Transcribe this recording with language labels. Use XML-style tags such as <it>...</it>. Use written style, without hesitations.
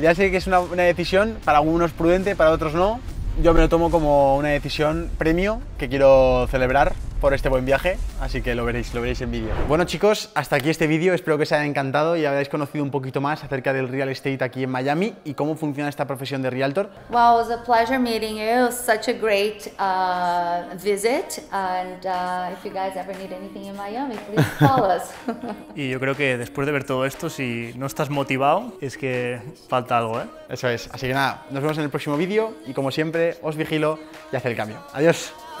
<es>Ya sé que es una decisión, para algunos prudente, para otros no. Yo me lo tomo como una decisión premio que quiero celebrar por este buen viaje, así que lo veréis en vídeo. Bueno chicos, hasta aquí este vídeo, espero que os haya encantado y habéis conocido un poquito más acerca del real estate aquí en Miami y cómo funciona esta profesión de realtor.</es> <en>Wow, it was a pleasure meeting you. It was such a great visit and if you guys ever need anything in Miami, please call us.</en> <es>Y yo creo que después de ver todo esto, si no estás motivado, es que falta algo, ¿eh? Eso es. Así que nada, nos vemos en el próximo vídeo y como siempre, os vigilo y haz el cambio. Adiós.</es>